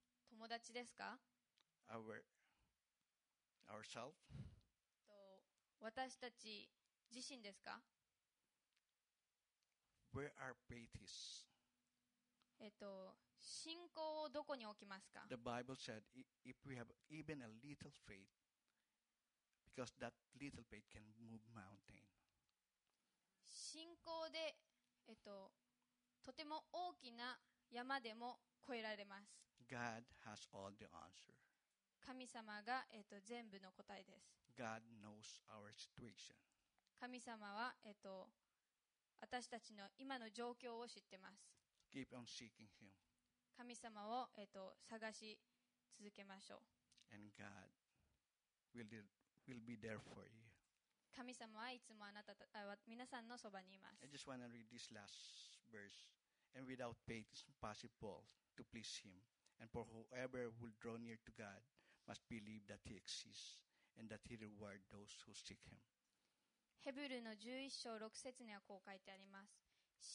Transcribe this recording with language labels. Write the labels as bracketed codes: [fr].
[ja] 友達ですか? [en] Ourself? [ja] 私たち自身ですか? [en] Where our faith is? [ja] 信仰をどこに置きますか? [en] The Bible said if we have even a little faith, because that little faith can move mountain. [ja] 信仰で、とても大きな山でも越えられます。 [en] God has all the answer. [ja] 神様が、全部の答えです。 [en] God knows our situation. [ja] 神様は、私たちの今の状況を知ってます。 [en] Keep on seeking him. [ja] 神様を、探し続けましょう。 [en] And God will be there for you. [ja] 神様はいつもあなた、皆さんのそばにいます。 [en] I just want to read this last verse. And without faith, it's impossible to please Him. And for whoever will draw near to God must believe that He exists and that He rewards those who seek Him. [ja] ヘブルの11章6節にはこう書いてあります。